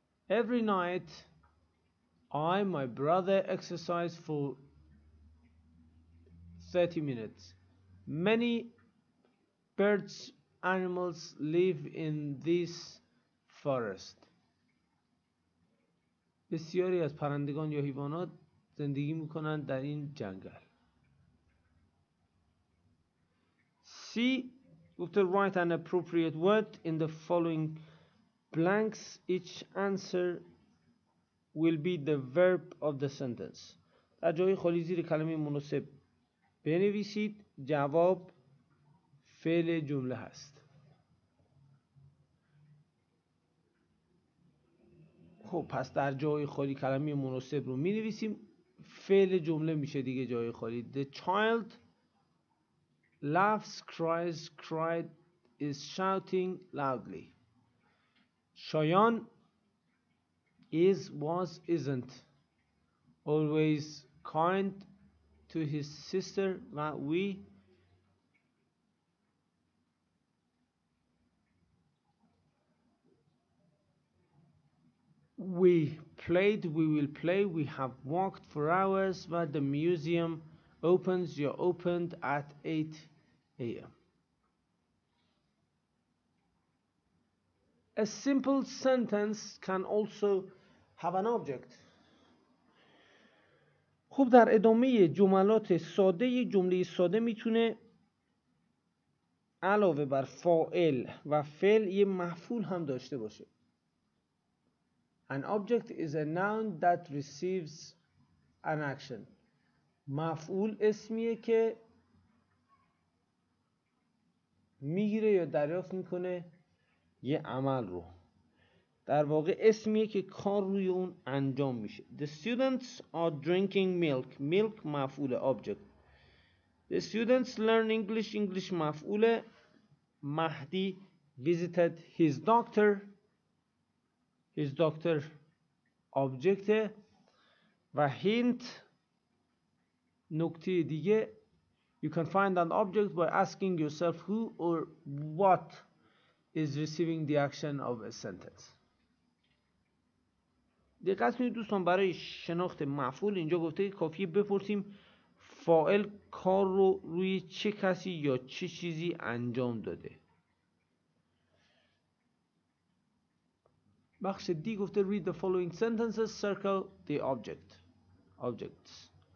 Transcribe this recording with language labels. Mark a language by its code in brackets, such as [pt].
[en] Every night I my brother exercise for 30 minutes. Many birds animals live in this forest. [fa] بسیاری از پرندگان یا حیوانات زندگی می‌کنند در این جنگل. [en] C. After write an appropriate word in the following blanks. Each answer will be the verb of the sentence. [fa] در جای خالی زیر کلمه مناسب بنویسید. جواب فعل جمله هست. خب پس در جای خالی کلمه مناسب رو می‌نویسیم، فعل جمله میشه دیگه جای خالی. [en] The child laughs, cries, cried, is shouting loudly. Shayan is, was, isn't always kind to his sister [fa] و [en] we. We played, we will play, we have walked for hours, but the museum opens, you're opened at 8 a.m. A simple sentence can also have an object. [fa] خب در ادامه جملات ساده، جمله ساده میتونه علاوه بر فاعل و فعل یه مفعول هم داشته باشه. [en] An object is a noun that receives an action. [fa] مفعول اسمیه که میگیره یا دریافت میکنه یه عمل رو. در واقع اسمیه که کار روی اون انجام میشه. [en] The students are drinking milk. Milk مفعول object. The students learn English. English مفعول. Mahdi visited his doctor. His doctor object. [fa] و [en] hint [fa] نکته دیگه، [en] you can find an object by asking yourself who or what is receiving the action of a sentence. [fa] دقت کنید دوستان، برای شناخت مفعول اینجا گفته که کافیه بپرسیم فاعل کار رو روی چه کسی یا چه چیزی انجام داده. بخش دی گفته [en] read the following sentences, circle the object. Objects.